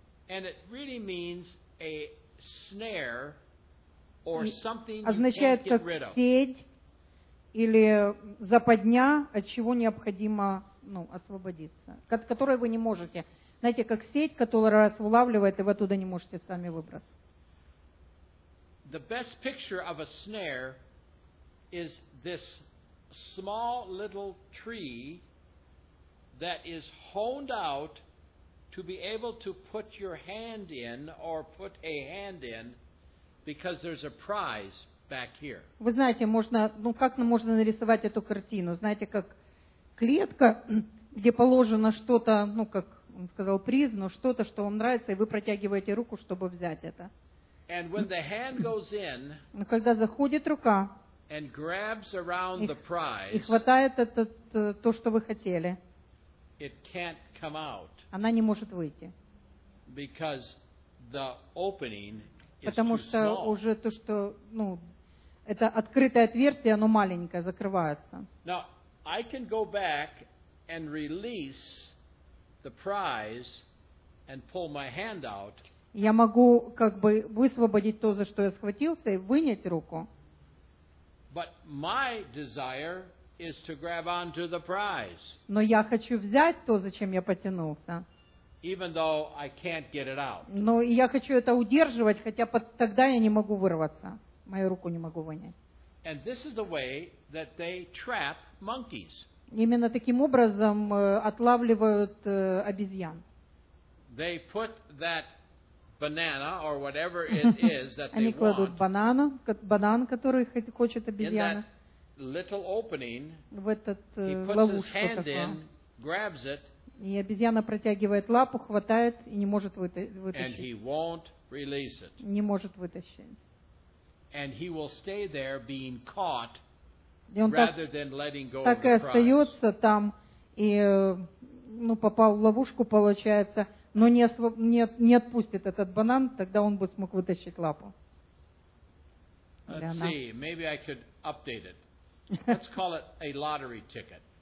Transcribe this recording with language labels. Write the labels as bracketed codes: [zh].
[en] And it really means a snare or something. [ru] Означает как сеть или западня, от чего необходимо, ну, освободиться, от которой вы не можете. Знаете, как сеть, которая вас улавливает, и вы оттуда не можете сами выбраться. [en] The best picture of a snare is this small little tree that is honed out to be able to put your hand in or put a hand in because there's a prize back here. [ru] Вы знаете, можно, ну как можно нарисовать эту картину? Знаете, как клетка, где положено что-то, ну как он сказал, приз, но что-то, что вам нравится, и вы протягиваете руку, чтобы взять это. [en] And when the hand goes in, [ru] но когда заходит рука [en] and grabs around the prize, [ru] и хватает этот, то, что вы хотели, [en] it can't come out, [ru] она не может выйти. [en] Because the opening is [ru] потому [en] too [ru] что [en] small. [ru] Уже то, что, ну, это открытое отверстие, оно маленькое, закрывается. [en] Now, I can go back and release the prize and pull my hand out. [ru] Я могу как бы высвободить то, за что я схватился, и вынять руку. [en] But my desire is to grab onto the prize. [ru] Но я хочу взять то, зачем я потянулся. [en] Even though I can't get it out. [ru] Но я хочу это удерживать, хотя тогда я не могу вырваться. Мою руку не могу вынять. [en] And this is the way that they trap monkeys. [ru] Именно таким образом отлавливают обезьян. [en] They put that banana or whatever it is that they want. [ru] Они кладут банан, который хочет обезьяна. [en] In that little opening, he puts his hand in, grabs it. [ru] И обезьяна протягивает лапу, хватает и не может вытащить. [en] And he won't release it. [ru] Не может вытащить. [en] And he will stay there being caught rather than letting go of the prize. [ru] Так и остается там и попал в ловушку, получается, но не отпустит этот банан, тогда он бы смог вытащить лапу. [en] Let's see, maybe I could update it. Let's call it a lottery ticket.